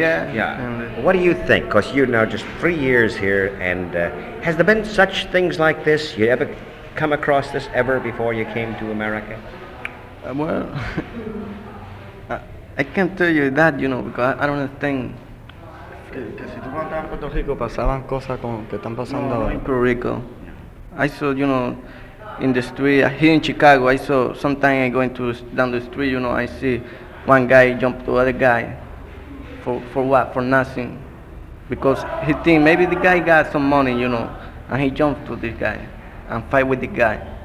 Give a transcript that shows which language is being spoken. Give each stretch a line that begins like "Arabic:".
English: Yeah. What do you think? Because you know just 3 years here and has there been such things like this? You ever come across this ever before you came to America? Well, I can't tell you that, you know, because I don't understand.
Spanish: Que si tú vas a Puerto Rico, pasaban cosas como que están pasando ahora. No, Puerto Rico.
English: I saw, you know, in the street, here in Chicago, I saw, sometime I go down the street, you know, I see one guy jumped to other guy. For what? For nothing. Because he think maybe the guy got some money, you know, and he jumped to this guy and fight with the guy.